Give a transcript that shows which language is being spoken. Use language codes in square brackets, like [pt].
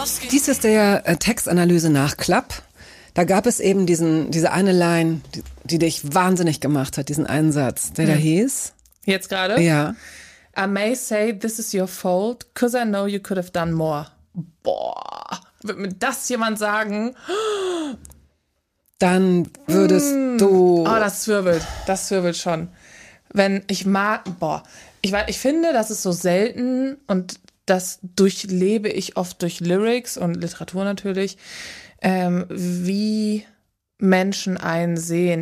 [de] Dies ist der Textanalyse nach Klapp. Da gab es eben diese eine Line, die dich wahnsinnig gemacht hat, diesen einen Satz, der da hieß. Jetzt gerade? Ja. [en] I may say this is your fault, because I know you could have done more. [de] Boah, wird mir das jemand sagen? Dann würdest du... Oh, das zwirbelt schon. Wenn ich mag, boah. Ich finde, das ist so selten und das durchlebe ich oft durch Lyrics und Literatur natürlich, wie Menschen einen sehen.